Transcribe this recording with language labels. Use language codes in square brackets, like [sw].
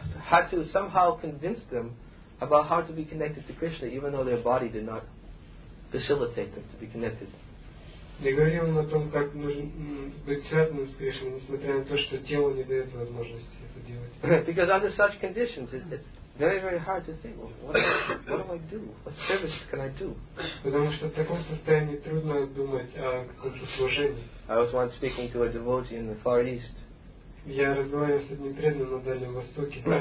[en] had to somehow convince them about how to be connected to Krishna, even though their body did not facilitate them to be connected. [ru] Я говорил им о том, как нужно быть связанным с Кришной, несмотря на то, что тело не дает возможности это делать. [en] Because under such conditions, it's very, very hard to think, what do I do? What service can I do? [ru] Потому что в таком состоянии трудно думать о каком-то служении. [en] I was once speaking to a devotee in the Far East. [ru] Я разговаривал с одним преданным на Дальнем Востоке.